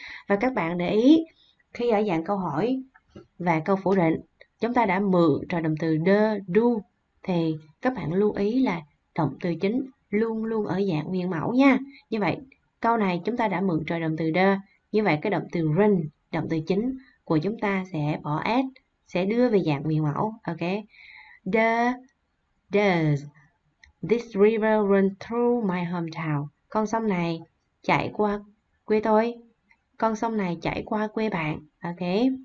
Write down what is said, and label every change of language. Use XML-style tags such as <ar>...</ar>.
<vi>Và các bạn để ý khi ở dạng câu hỏi và câu phủ định chúng ta đã mượn trợ động từ the, do, thì các bạn lưu ý là động từ chính luôn luôn ở dạng nguyên mẫu nha. Như vậy câu này chúng ta đã mượn trợ động từ the, như vậy cái động từ run, động từ chính của chúng ta sẽ bỏ s, sẽ đưa về dạng nguyên mẫu.</vi> <en>Okay, does this river run through my hometown?</en> <vi>Con sông này chạy qua quê tôi. Con sông này chạy qua quê bạn. Okay.</vi>